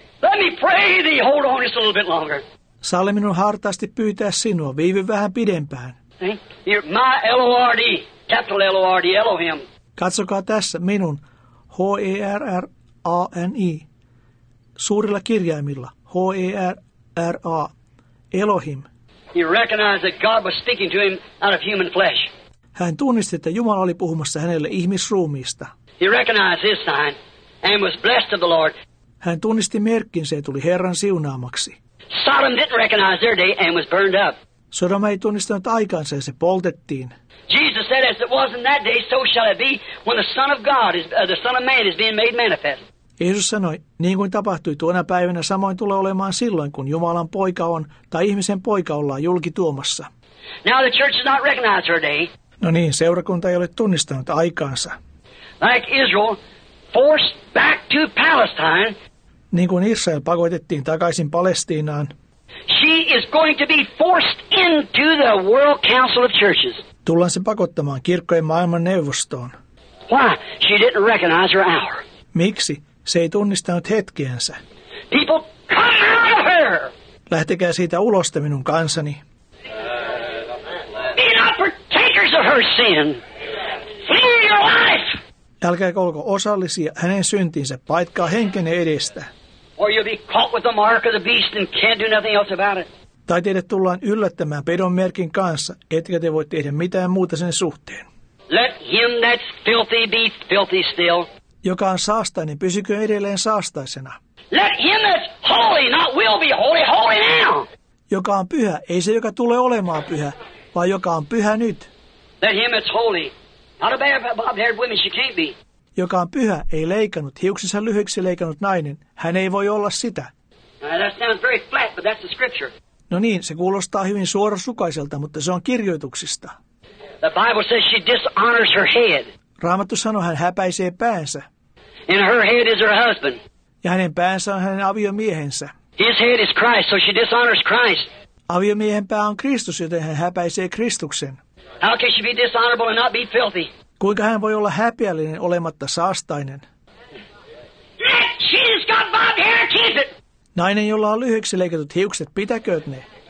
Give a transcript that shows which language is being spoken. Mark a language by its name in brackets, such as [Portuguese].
[English] Let me pray thee, hold on just a little bit longer. [Finnish] Salli minun hartaasti pyytää sinua, viivy vähän pidempään. [English] My L-O-R-D, capital L-O-R-D, Elohim. [Finnish] Katsokaa tässä minun, H-E-R-R-A-N-I, suurilla kirjaimilla, H-E-R-R-A, Elohim. [English] He recognized that God was speaking to him out of human flesh. [Finnish] Hän tunnisti, että Jumala oli puhumassa hänelle ihmisruumiista. [English] He recognized his sign and was blessed of the Lord. [Finnish] Hän tunnisti merkkinsä ja tuli Herran siunaamaksi. [English] Sodom didn't recognize their day and was burned up. [Finnish] Sodom ei tunnistanut aikaansa ja se poltettiin. [English] Jesus said, as it was in that day, so shall it be when the Son of God is the Son of Man is being made manifest. [Finnish] Jeesus sanoi, niin kuin tapahtui tuona päivänä, samoin tulee olemaan silloin, kun Jumalan poika on, tai ihmisen poika ollaan julkituomassa. [English] Now the church has not recognized her day. [Finnish] No niin, seurakunta ei ole tunnistanut aikaansa. [English] Like Israel, forced back to Palestine. [Finnish] Niin kuin Israel pakotettiin takaisin Palestiinaan. [English] She is going to be forced into the World Council of Churches. [Finnish] Tullaan se pakottamaan kirkkojen maailmanneuvostoon. [English] Why? She didn't recognize her hour. [Finnish] Miksi? Se ei tunnistanut hetkeensä. [English] People, come out of her. [Finnish] Lähtekää siitä ulos te minun kansani. [English] Be not partakers of her sin. Flee your life. [Finnish] Älkääkö olko osallisia hänen syntiinsä, paitkaa henkenne edestä. [English] Or you'll be caught with the mark of the beast and can't do nothing else about it. [Finnish] Tai teidät tullaan yllättämään pedon merkin kanssa, etkä te voi tehdä mitään muuta sen suhteen. [English] Let him that's filthy be filthy still. [Finnish] Joka on saastainen, pysykö edelleen saastaisena. [English] Let him that's holy, not will be holy, holy now. [Finnish] Joka on pyhä, ei se joka tulee olemaan pyhä, vaan joka on pyhä nyt. [English] Let him that's holy, not a bob-haired woman, she can't be. [Finnish] Joka on pyhä, ei leikannut, hiuksensa lyhyeksi leikannut nainen, hän ei voi olla sitä. [English] That sounds very flat, but that's the scripture. [Finnish] No niin, se kuulostaa hyvin suorasukaiselta, mutta se on kirjoituksista. [English] The Bible says she dishonors her head. [Finnish] Raamattu sanoo, hän häpäisee päänsä. [English] And her head is her husband. [Finnish] Ja hänen päänsä on hänen aviomiehensä. [English] His head is Christ, so she dishonors Christ. [Finnish] Aviomiehen pää on Kristus, joten hän häpäisee Kristuksen. [English] How can she be dishonorable and not be filthy? [Finnish] Kuinka hän voi olla häpeällinen olematta saastainen? [English] She's got bob hair, keep it. [Finnish] Nainen, jolla on lyhyeksi leikatut hiukset, pitäkööt ne?